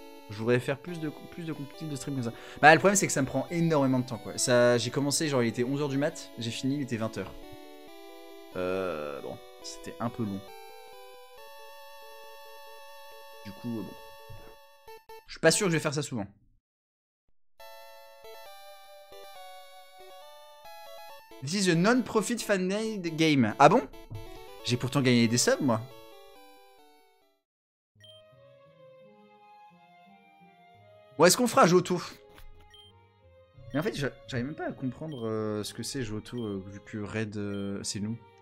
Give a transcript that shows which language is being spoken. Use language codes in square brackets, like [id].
[fr] Je voudrais faire plus de compétitions de stream comme ça. Bah le problème c'est que ça me prend énormément de temps quoi. Ça, j'ai commencé genre il était 11h du mat, j'ai fini il était 20h. Bon, c'était un peu long. Du coup, bon. Je suis pas sûr que je vais faire ça souvent. [en] This is a non-profit fan-made game. [fr] Ah bon? J'ai pourtant gagné des subs moi. Ou est-ce qu'on fera Johto? Mais en fait, j'arrive même pas à comprendre ce que c'est Johto, vu que Red, c'est nous.